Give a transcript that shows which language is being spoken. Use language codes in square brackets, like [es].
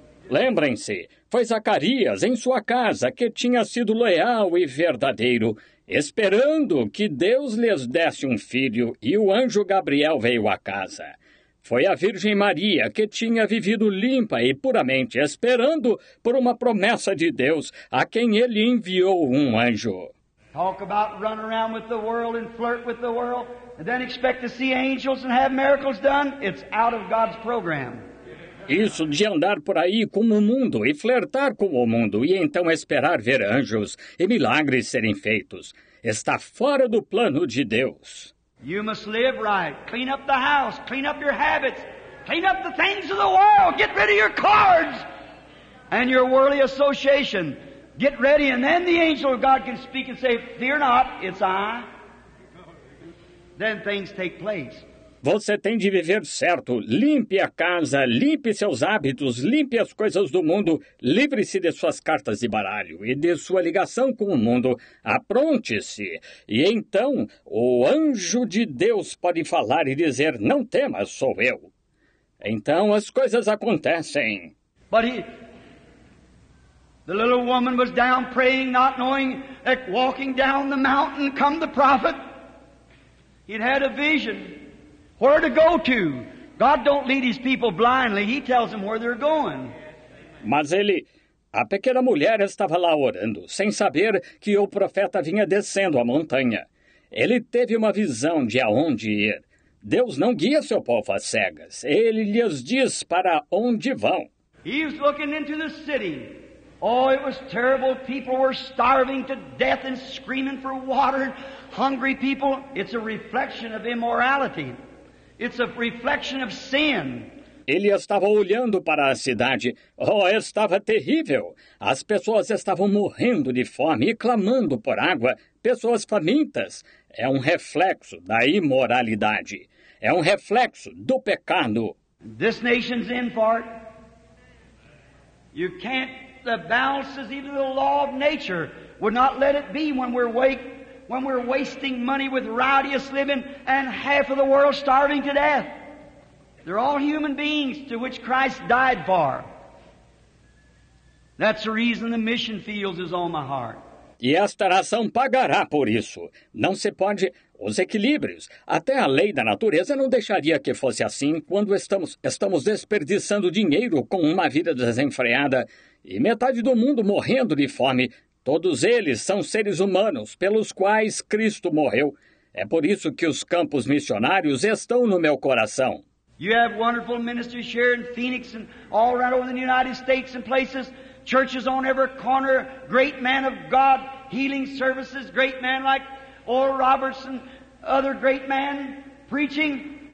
[pt] Lembrem-se, foi Zacarias em sua casa que tinha sido leal e verdadeiro, esperando que Deus lhes desse um filho, e o anjo Gabriel veio à casa. Foi a Virgem Maria que tinha vivido limpa e puramente, esperando por uma promessa de Deus, a quem ele enviou um anjo. [en] Talk about run around with the world and flirt with the world, and then expect to see angels and have miracles done? It's out of God's program. [pt] Isso de andar por aí como o mundo e flertar com o mundo e então esperar ver anjos e milagres serem feitos está fora do plano de Deus. [en] You must live right. Clean up the house. Clean up your habits. Clean up the things of the world. Get rid of your cards and your worldly association. Get ready, and then the angel of God can speak and say, "Fear not, it's I." Then things take place. [pt] Você tem de viver certo. Limpe a casa, limpe seus hábitos, limpe as coisas do mundo. Livre-se de suas cartas de baralho e de sua ligação com o mundo. Apronte-se. E então o anjo de Deus pode falar e dizer, não temas, sou eu. Então as coisas acontecem. [en] But the little woman was down praying, not knowing that walking down the mountain come the prophet. He'd had a vision. Where to go to? God don't lead his people blindly. He tells them where they're going. [pt] Mas ele, a pequena mulher estava lá orando, sem saber que o profeta vinha descendo a montanha. Ele teve uma visão de aonde ir. Deus não guia seu povo às cegas. Ele lhes diz para onde vão. [en] He's looking into the city. Oh, it was terrible. People were starving to death and screaming for water. Hungry people. It's a reflection of immorality. It's a reflection of sin. [pt] Ele estava olhando para a cidade. Oh, estava terrível. As pessoas estavam morrendo de fome e clamando por água. Pessoas famintas. É um reflexo da imoralidade. É um reflexo do pecado. [en] This nation's in for it. You can't. The balances, even the law of nature, would not let it be when we're awake. When we're wasting money with rowdiest living and half of the world starving to death. They're all human beings to which Christ died for. That's the reason the mission fields is on my heart. [pt] E esta nação pagará por isso. Não se pode... Os equilíbrios. Até a lei da natureza não deixaria que fosse assim quando estamos desperdiçando dinheiro com uma vida desenfreada e metade do mundo morrendo de fome. Todos eles são seres humanos pelos quais Cristo morreu. É por isso que os campos missionários estão no meu coração. [en] You have wonderful ministers here in Phoenix and all around over the United States and places, churches on every corner, great man of God, healing services, great man like Oral Robertson, other great man preaching.